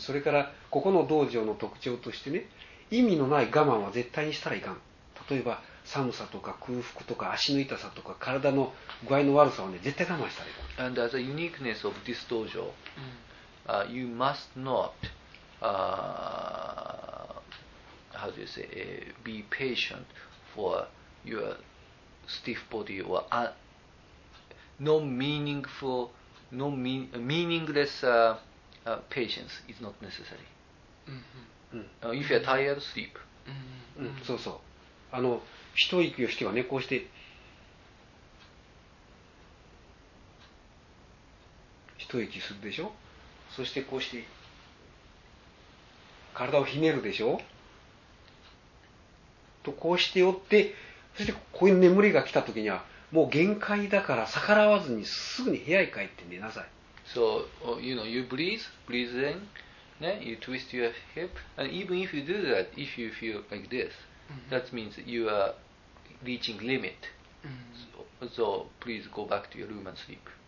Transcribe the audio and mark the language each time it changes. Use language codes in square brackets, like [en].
[ja] それからここの道場の特徴としてね、意味のない我慢は絶対にしたらいかん。例えば寒さとか空腹とか足の痛さとか体の具合の悪さは、ね、絶対我慢したらいかん。 [en] And as a uniqueness of this dojo、you must not、how do you say、be patient for your stiff body or meaningless、patience is not necessary、if you are tired, sleep、 [ja] そうそう、あの一息をしてはね、こうして一息するでしょ、そしてこうして体をひねるでしょ、とこうしておって、そしてこういう眠りが来た時にはもう限界だから、逆らわずにすぐに部屋へ帰って寝なさい。 [en] So, you know, you breathe, breathe in, then you twist your hip, and even if you do that, if you feel like this, that means you are reaching limit. So, please go back to your room and sleep.